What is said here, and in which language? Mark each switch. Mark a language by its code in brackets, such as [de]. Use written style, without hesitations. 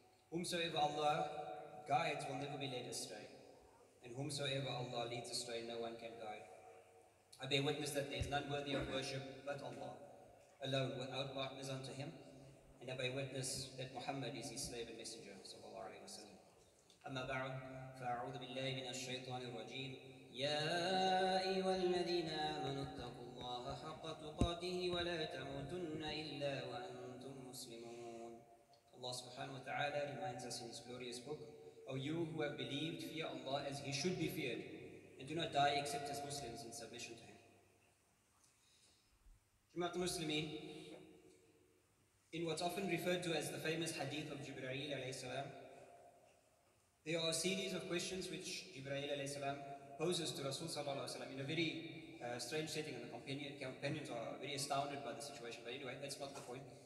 [en] Whomsoever Allah guides will never be led astray. And whomsoever Allah leads astray, no one can guide. I bear witness that there is none worthy of worship but Allah, alone without partners unto Him. And I bear witness that Muhammad is His slave and messenger, sallallahu alayhi wa sallam. [ar] أما بعد فأعوذ بالله من الشيطان الرجيم يا أيها الذين آمنوا اتقوا الله حق تقاته ولا تموتن إلا وأنتم مسلمون. [en] Allah subhanahu wa ta'ala reminds us in His glorious book, O you who have believed, fear Allah as He should be feared, and do not die except as Muslims in submission to Him. Jumat al-Muslimin, in what's often referred to as the famous hadith of Jibreel alayhi salam, there are a series of questions which Jibreel alayhi salam poses to Rasul sallallahu alayhi wa sallam in a very strange setting, and the companions are very astounded by the situation. But anyway, that's not the point.